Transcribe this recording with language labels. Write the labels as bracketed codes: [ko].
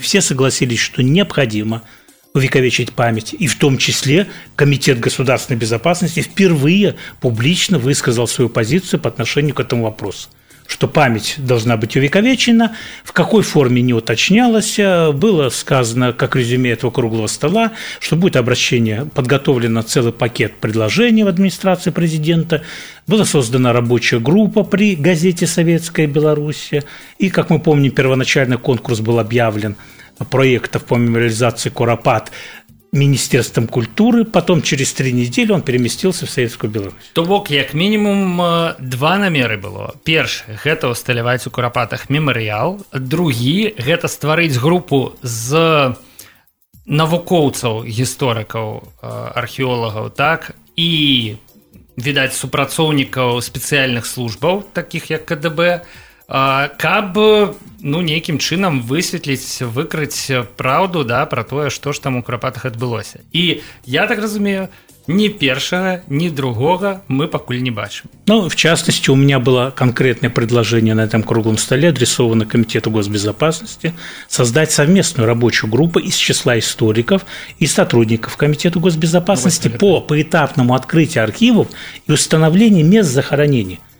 [ru] Все согласились, что необходимо увековечить память, и в том числе Комитет государственной безопасности впервые публично высказал свою позицию по отношению к этому вопросу, что память должна быть увековечена, в какой форме не уточнялось, было сказано, как резюме этого круглого стола, что будет обращение, подготовлено целый пакет предложений в администрации президента, была создана рабочая группа при газете «Советская Беларусь», и, как мы помним, первоначально конкурс был объявлен проектов по мемориализации Курапат Министерством культуры, потом через три недели он переместился в Советскую Беларусь. [be] То бок, як мінімум, два намеры было. Першы – гэта ўсталяваць у Курапатах мемарыял. Другі – гэта стварыць групу з навукоўцаў, гісторыкаў, археолагаў, так, і, відаць, супрацоўнікаў спецыяльных службаў, такіх як КДБ, каб, ну, некім чынам высветліць, выкрыць праўду, да, пра тое, што ж там у Курапатах адбылося. І я так разумею, ні першага, ні другога мы пакуль не бачым. [ru] Ну, в частности, у меня было конкретное предложение на этом круглом столе, адресовано Комитету госбезопасности, создать совместную рабочую группу из числа историков и сотрудников Комитета госбезопасности по поэтапному открытию архивов и установлению мест захоронения.